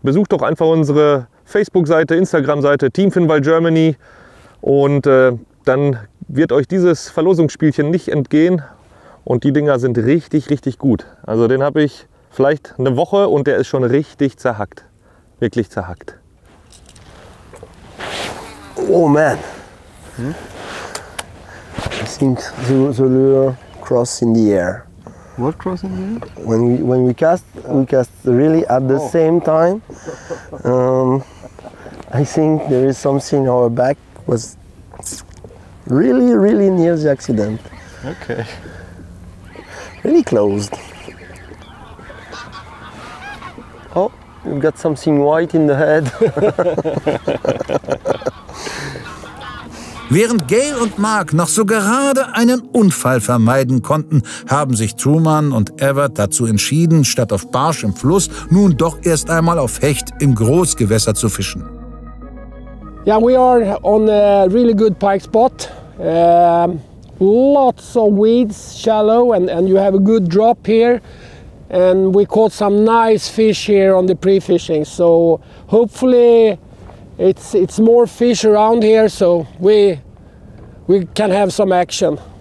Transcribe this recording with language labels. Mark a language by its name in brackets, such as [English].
[German] Besucht doch einfach unsere Facebook-Seite, Instagram-Seite, Team Finnwal Germany. Und dann wird euch dieses Verlosungsspielchen nicht entgehen. Und die Dinger sind richtig, richtig gut. Also den habe ich vielleicht eine Woche und der ist schon richtig zerhackt. Wirklich zerhackt. Oh man. [English] I think the lure cross in the air. What cross in the air? When we cast really at the same time. I think there is something in our back was really, really near the accident. Okay. Really closed. Oh, you've got something white in the head. [German] Während Gail und Mark noch so gerade einen Unfall vermeiden konnten, haben sich Truman und Everett dazu entschieden, statt auf Barsch im Fluss nun doch erst einmal auf Hecht im Großgewässer zu fischen. [English] Yeah, we are on a really good pike spot. Lots of weeds, shallow, and you have a good drop here. And we caught some nice fish here on the pre-fishing. So hopefully it's more fish around here, so we can have some action.